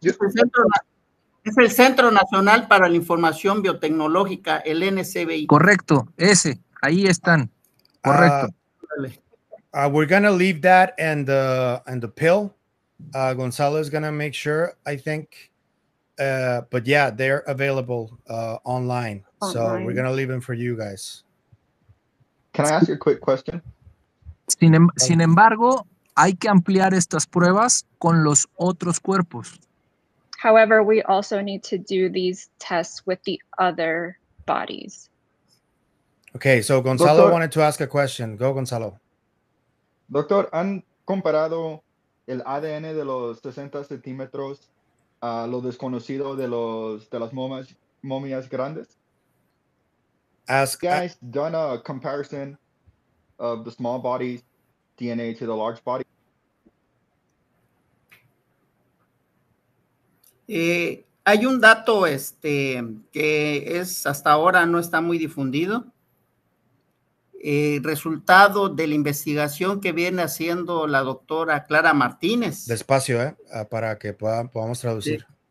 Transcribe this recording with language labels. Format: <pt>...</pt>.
<es>Es el Centro Nacional para la Información Biotecnológica, el NCBI. Correcto, ese. Ahí están. Correcto.</es> <en>We're going to leave that and the pill. Gonzalo is going to make sure, I think. But yeah, they're available online. So we're going to leave them for you guys. Can I ask you a quick question?</en> <es>Sin embargo, hay que ampliar estas pruebas con los otros cuerpos.</es> <en>However, we also need to do these tests with the other bodies. Okay, so Gonzalo doctor, wanted to ask a question. Go, Gonzalo.</en> <es>Doctor, ¿han comparado el ADN de los 60 centímetros a lo desconocido de las momias grandes?</es> <en>Ask. Have you guys done a comparison of the small body DNA to the large body?</en> <es>Hay un dato que es hasta ahora no está muy difundido. Resultado de la investigación que viene haciendo la doctora Clara Martínez. Despacio, para que podamos traducir.</es>